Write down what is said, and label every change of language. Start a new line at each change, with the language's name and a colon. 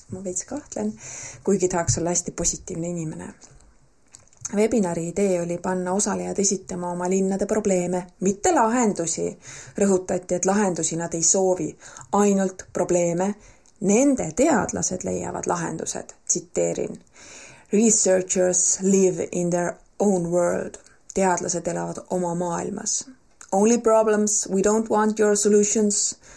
Estonian: Ma veits kahtlen, kuigi tahaks olla hästi positiivne inimene. Webinari idee oli panna osalejad esitama oma linnade probleeme, mitte lahendusi. Rõhutati, et lahendusi nad ei soovi, ainult probleeme. Nende teadlased leiavad lahendused, tsiteerin.
English: Researchers live in their own world.
Estonian: Teadlased elavad oma maailmas.
English: Only problems, we don't want your solutions.